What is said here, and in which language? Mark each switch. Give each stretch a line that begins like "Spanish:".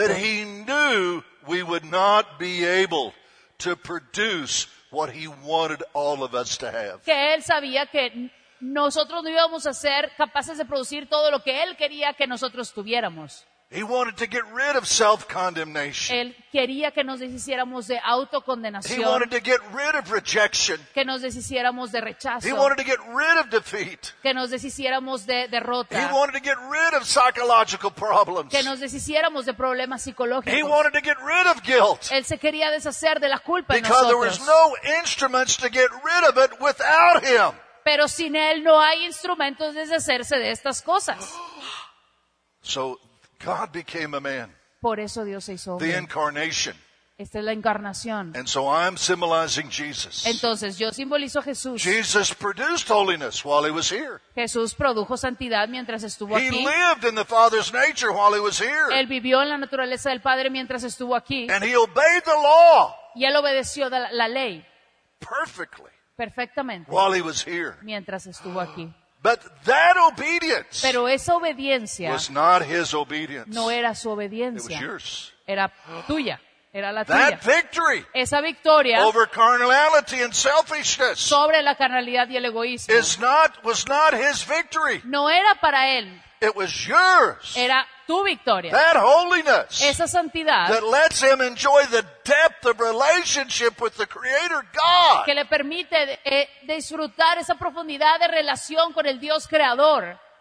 English: that he knew we would not be able to produce what he wanted all of us to have.
Spanish: Que él sabía que nosotros no íbamos a ser capaces de producir todo lo que él quería que nosotros tuviéramos.
English: He wanted to get rid of self-condemnation.
Spanish: Él quería que nos deshiciéramos de autocondenación.
English: He wanted to get rid of rejection.
Spanish: Que nos deshiciéramos de rechazo.
English: He wanted to get rid of defeat.
Spanish: Que nos deshiciéramos de derrota.
English: He wanted to get rid of psychological problems.
Spanish: Que nos deshiciéramos de problemas psicológicos.
English: He wanted to get rid of guilt.
Spanish: Él se quería deshacer de la culpa en nosotros.
English: Because there was no instruments to get rid of it without him.
Spanish: Pero sin él no hay instrumentos de deshacerse de estas cosas.
English: So God became a man.
Spanish: Por eso Dios se hizo hombre.
English: The incarnation.
Spanish: Esta es la encarnación.
English: And so I'm symbolizing Jesus.
Spanish: Entonces yo simbolizo a Jesús.
English: Jesus produced holiness while he was here.
Spanish: Jesús produjo santidad mientras estuvo aquí.
English: He lived in the Father's nature while he was here.
Spanish: Él vivió en la naturaleza del Padre mientras estuvo aquí.
English: And he obeyed the law.
Spanish: Y él obedeció la ley.
English: Perfectly.
Spanish: Perfectamente.
English: While he was here.
Spanish: Mientras estuvo aquí.
English: But that obedience,
Spanish: pero esa obediencia,
English: was not his obedience.
Spanish: No era su obediencia.
English: It was yours.
Spanish: Era tuya. Era la
English: that That victory,
Spanish: esa victoria,
English: over carnality and selfishness,
Spanish: sobre la carnalidad y el egoísmo,
English: was not his victory.
Spanish: No era para él.
English: It was yours.
Spanish: Era tu victoria.
English: That holiness,
Spanish: esa santidad,
English: that lets him enjoy the depth of relationship with the Creator God,
Spanish: que le permite disfrutar esa profundidad de relación con el Dios Creador,